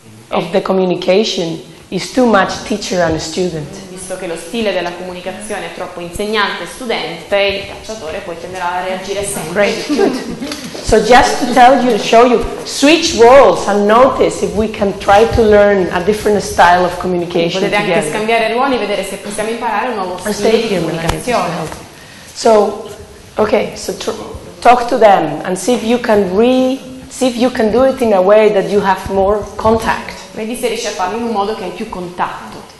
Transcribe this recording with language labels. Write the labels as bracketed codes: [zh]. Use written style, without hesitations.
[en] of the communication is too much teacher and student. [it] Visto che lo stile della comunicazione è troppo insegnante e studente, il cacciatore poi tenderà a reagire sempre. [en] Great, good. So just to tell you, show you, switch roles and notice if we can try to learn a different style of communication. [it] Potete [en] together. [it] Anche scambiare ruoli e vedere se possiamo imparare un nuovo stile di comunicazione. [en] So, okay, so talk to them and see if you can see if you can do it in a way that you have more contact. [it] Vedi se riesci a farlo in un modo che hai più contatto.